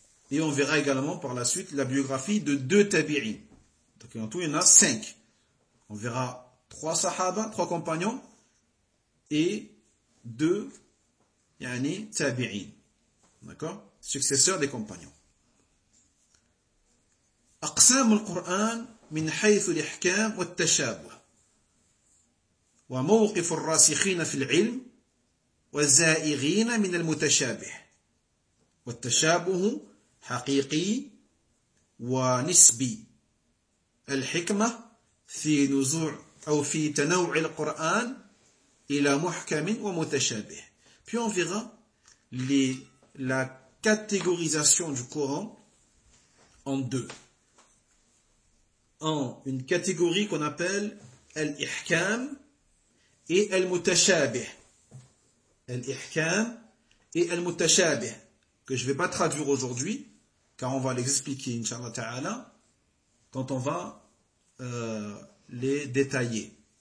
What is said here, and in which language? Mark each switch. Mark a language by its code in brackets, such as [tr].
[fr] Et on verra également par la suite la biographie de deux tabi'in. Donc en tout, il y en a cinq. On verra trois sahaba, trois compagnons, et deux yani tabi'in. D'accord ? Successeur des compagnons. [ar] أقسام القرآن من حيث الإحكام والتشابه وموقف الراسخين في العلم والزائغين من المتشابه والتشابه حقيقي ونسبي الحكمة في نزوع أو في تنوع القرآن إلى محكم ومتشابه. [fr] Puis on verra la catégorisation du Coran en deux. En une catégorie qu'on appelle al-ihkam et al-mutashabih. Al-ihkam et al-mutashabih, que je ne vais pas traduire aujourd'hui, car on va les expliquer, inshallah ta'ala, quand on va les détailler.